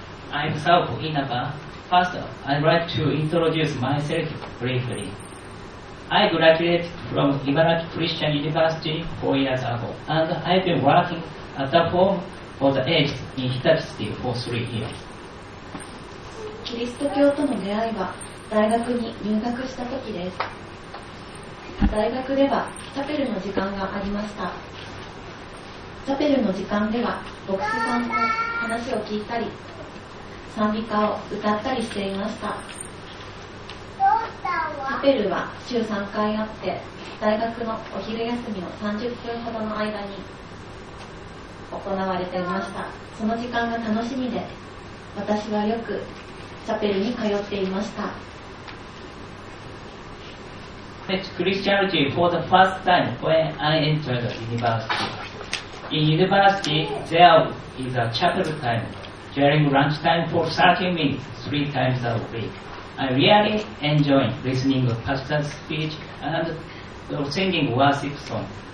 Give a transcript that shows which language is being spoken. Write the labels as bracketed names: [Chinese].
[English] I'm Saoko Inaba. First, I'd like to introduce myself briefly. I graduated from Ibaraki Christian University 4 years ago, and I've been working at the home for the aged in Hitachi City for 3 years. [Japanese] キリスト教との出会いは大学に入学した時です。大学ではチャペルの時間がありました。チャペルの時間では牧師さんの話を聞いたり、賛美歌を歌ったりしていました。チャペルは週3回あって、大学のお昼休みの30分ほどの間に行われていました。その時間が楽しみで、私はよくチャペルに通っていました。 [English] Christianity for the first time when I entered university. In university, there is a chapel time during lunch time for 30 minutes, 3 times a week. I really enjoy listening to pastor's speech and singing worship songs.